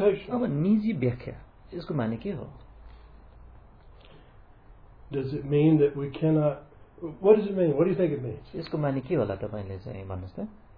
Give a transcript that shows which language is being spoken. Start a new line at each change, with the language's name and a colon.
Nepali: अब निजी व्याख्या यसको माने के हो?
English: Does it mean that we cannot? What does it mean? What do you think it means?
Nepali: यसको माने के होला तपाईँले चाहिँ भन्नुहोस् त.